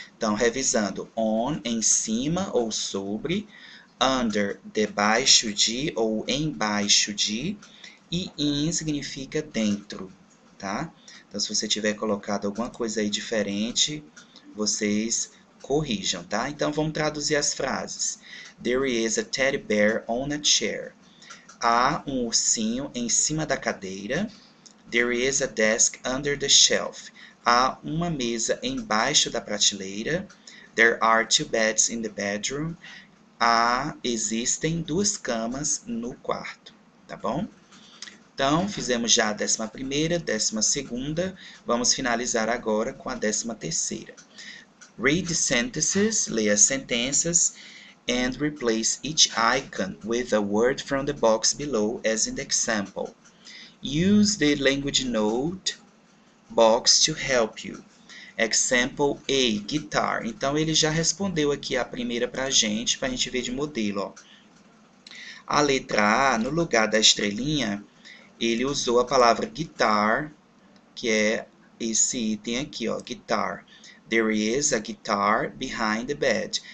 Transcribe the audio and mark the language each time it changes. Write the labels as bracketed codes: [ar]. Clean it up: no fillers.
[pt] Então, revisando, on, em cima ou sobre. Under, debaixo de ou embaixo de. E in significa dentro, tá? Então, se você tiver colocado alguma coisa aí diferente, vocês corrijam, tá? Então, vamos traduzir as frases. [en] There is a teddy bear on a chair. [pt] Há um ursinho em cima da cadeira. [en] There is a desk under the shelf. [pt] Há uma mesa embaixo da prateleira. [en] There are two beds in the bedroom. [pt] Existem duas camas no quarto, tá bom? Então, fizemos já a 11ª, 12ª. Vamos finalizar agora com a 13ª. [en] Read sentences, [pt] leia as sentenças [en] and replace each icon with a word from the box below as in the example. Use the language note box to help you. Example A, guitar. [pt] Então ele já respondeu aqui a primeira para a gente ver de modelo, ó. A letra A, no lugar da estrelinha, ele usou a palavra guitar que é esse item aqui, ó, guitar. [en] There is a guitar behind the bed.